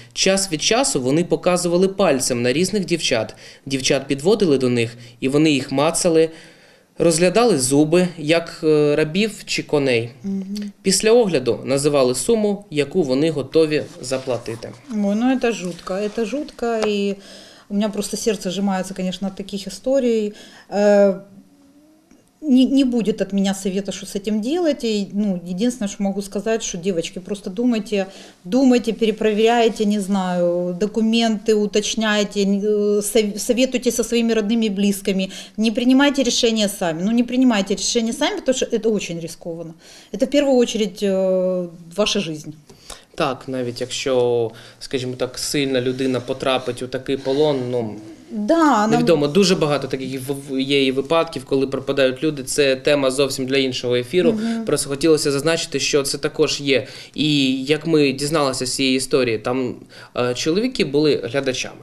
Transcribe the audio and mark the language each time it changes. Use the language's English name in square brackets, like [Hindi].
[Ukrainian] Час від часу вони показували пальцем на різних дівчат. Дівчат підводили до них, і вони їх мацали. Розглядали зуби, як рабів чи коней. Після огляду називали суму, яку вони готові заплатити. Ой, ну це жутко. Це жутко. І [Russian] У меня просто сердце сжимается, конечно, от таких историй. Не будет от меня совета, что с этим делать. И, ну, единственное, что могу сказать, что, девочки, просто думайте, перепроверяйте, не знаю, документы, уточняйте, советуйте со своими родными и близкими. Не принимайте решения сами. Ну, не принимайте решения сами, потому что это очень рискованно. Это в первую очередь ваша жизнь. [Ukrainian] Так, навіть якщо, скажімо так, сильна людина потрапить у такий полон, ну, да, невідомо, нам... дуже багато таких є і випадків, коли пропадають люди, це тема зовсім для іншого ефіру, угу. Просто хотілося зазначити, що це також є, і як ми дізналися з цієї історії, там чоловіки були глядачами,